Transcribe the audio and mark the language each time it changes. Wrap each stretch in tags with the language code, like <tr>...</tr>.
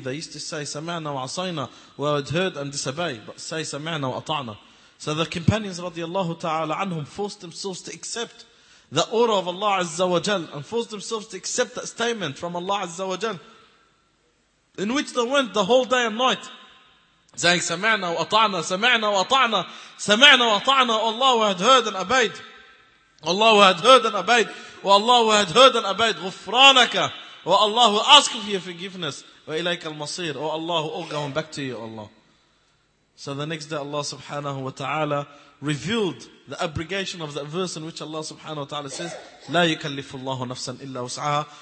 <en>They used to say,</en> <ar>sami'na wa asayna,</ar> <en>we had heard and disobey, but say,</en> <ar>sami'na wa ata'na.</ar> <en>So the companions radiallahu ta'ala anhum forced themselves to accept the order of Allah azza wa jal and forced themselves to accept that statement from Allah azza wa jal, in which they went the whole day and night,</en> <ar>saying, سمعنا وأطعنا, سمعنا وأطعنا, سمعنا وأطعنا.</ar> <en>Allah had heard and obeyed. Allah had heard and obeyed. Allah had heard and obeyed.</en> <ar>غفرانك.</ar> <en>Oh Allah, we ask for your forgiveness.</en> <ar>وإليك المصير.</ar> <en>Oh Allah, we're all going back to you, Allah. So the next day Allah subhanahu wa ta'ala revealed the abrogation of that verse in which Allah subhanahu wa ta'ala says,</en> <ar>لا يكلف الله نفسا إلا وسعها.</ar>